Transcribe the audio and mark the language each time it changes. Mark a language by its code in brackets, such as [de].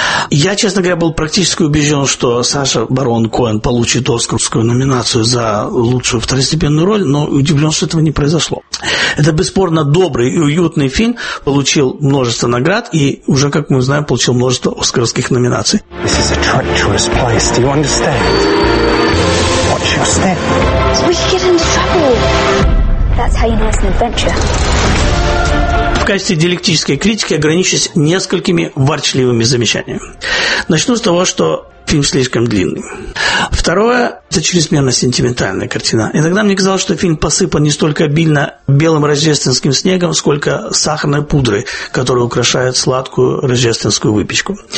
[ru] Я, честно говоря, был практически убежден, что Саша Барон Коэн получит оскарскую номинацию за лучшую второстепенную роль, но удивлен, что этого не произошло. Это бесспорно добрый и уютный фильм, получил множество наград и уже, как мы знаем, получил множество оскарских номинаций. [en] This is a treacherous place, do you understand? Watch your step. So we could get into trouble. That's how you know it's an adventure. [ru] В качестве диалектической критики ограничусь несколькими ворчливыми замечаниями. Начну с того, что фильм слишком длинный. Второе – это чрезмерно сентиментальная картина. Иногда мне казалось, что фильм посыпан не столько обильно белым рождественским снегом, сколько сахарной пудрой, которая украшает сладкую рождественскую выпечку.